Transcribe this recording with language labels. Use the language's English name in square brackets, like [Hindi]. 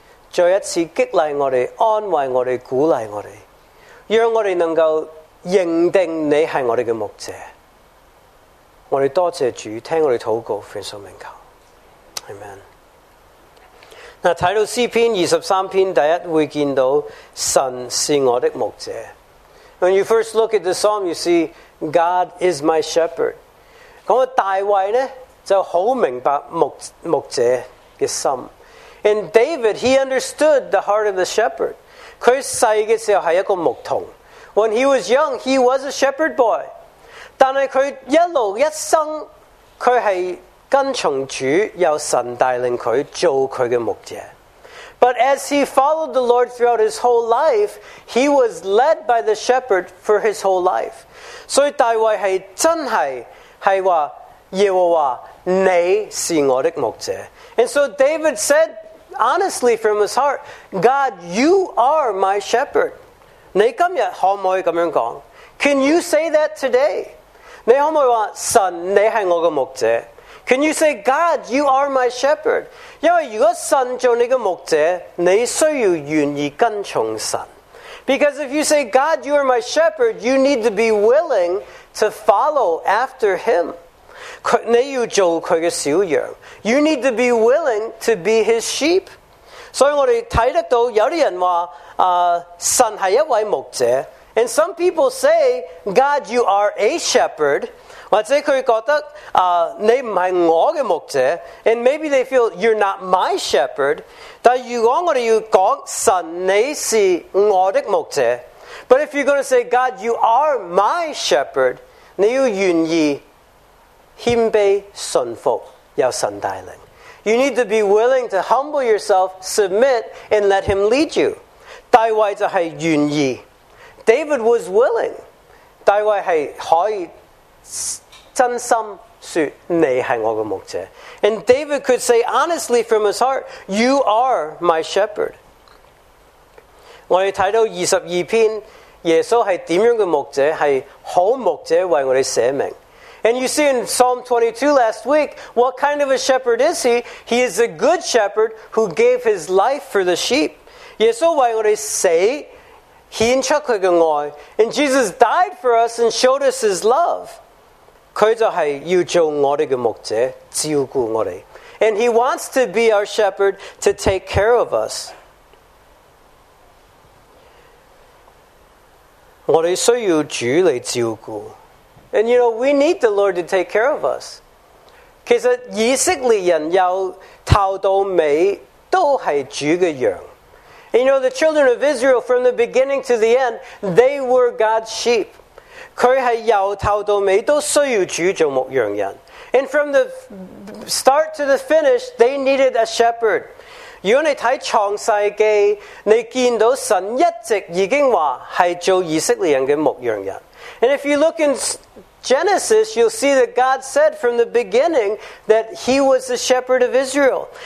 [Chinese] 再一次激励我们，安慰我们，鼓励我们，让我们能够认定你是我们的牧者。我们多谢主，听我们祷告，奉主名求， Amen。看到诗篇二十三篇第一，会见到神是我的牧者。 [English] When you first look at the psalm, you see God is my shepherd。 [Chinese] 大卫呢就很明白 牧者的心。 [English] And David, he understood the heart of the shepherd。 [Chinese] 他小的时候是一个牧童。 [English] When he was young, he was a shepherd boy。 [Chinese] 但是他一路一生，他是跟从主，由神带领他做他的牧者。 [English] But as he followed the Lord throughout his whole life, he was led by the shepherd for his whole life。 [Chinese] 所以大卫是真的是说耶和华，你是我的牧者。 [English] And so David said honestly from his heart, God, you are my shepherd。 [Chinese] 你今天可不可以这样说？ [English] Can you say that today? [Chinese] 你可不可以说，神，你是我的牧者？ [English] Can you say, God, you are my shepherd? [Chinese] 因为如果神做你的牧者，你需要愿意跟从神。 [English] Because if you say, God, you are my shepherd, you need to be willing to follow after him。 [Chinese] 你要做他的小羊。 [English] You need to be willing to be his sheep。 [Chinese] 所以我们看得到有些人说神是一位牧者。 [English] And some people say, God, you are a shepherd。 [Chinese] 或者他觉得你不是我的牧者。 [English] And maybe they feel, you're not my shepherd。 [Chinese] 但如果我们要说神你是我的牧者。 [English] But if you're going to say, God, you are my shepherd, [Chinese] 你要愿意谦卑顺服，由神带领。 [English] You need to be willing to humble yourself, submit, and let him lead you。 [Chinese] 大卫就是愿意。 [English] David was willing。 [Chinese] 大卫是可以真心说，你是我的牧者。 [English] And David could say honestly from his heart, you are my shepherd。 [Chinese] 我们看到二十二篇，耶稣是怎样的牧者，是好牧者为我们舍命。 [English] And you see in Psalm 22 last week, what kind of a shepherd is he? He is a good shepherd who gave his life for the sheep. [Chinese] 耶稣为我们死，献出他的爱。 [English] And Jesus died for us and showed us his love. [Chinese] 他就是要做我们的牧者，照顾我们。 [English] And he wants to be our shepherd to take care of us. [Chinese] 我们需要主来照顾。 [English] And you know, we need the Lord to take care of us. [Chinese] 其实以色列人由头到尾都是主的羊。 [English] And you know, the children of Israel, from the beginning to the end, they were God's sheep. [Chinese] 他是由头到尾都需要主做牧羊人。 [English] And from the start to the finish, they needed a shepherd. [Chinese] 如果你看创世纪，你见到神一直已经说是做以色列人的牧羊人。 [English] And if you look in Genesis, you'll see that God said from the beginning that he was the shepherd of Israel.